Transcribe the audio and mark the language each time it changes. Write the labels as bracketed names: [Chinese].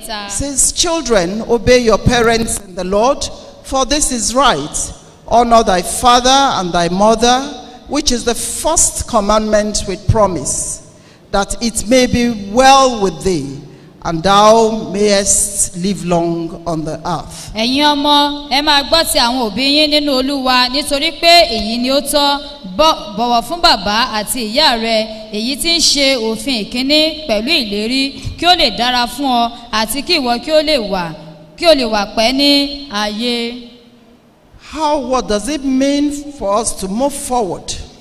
[English] Says, children, obey your parents in the Lord, for this is right. Honor thy father and thy mother, which is the first commandment with promise, that it may be well with thee, and thou mayest live long on the earth. [Yoruba] Ẹ̀yin ọmọ, ẹ máa gbọ́ ti àwọn òbí yín nínú Olúwa, nítorí pé èyí ni ó tọ́, bọ̀wọ̀ fún bàbá àti ìyá rẹ, èyí tí ń ṣe òfin ìkíní pẹ̀lú ìlérí, kí ó lè dára fún ọ, àti kí ìwọ kí ó lè wà pẹ́ ní ayé. [English] How, what does it mean for us to move forward?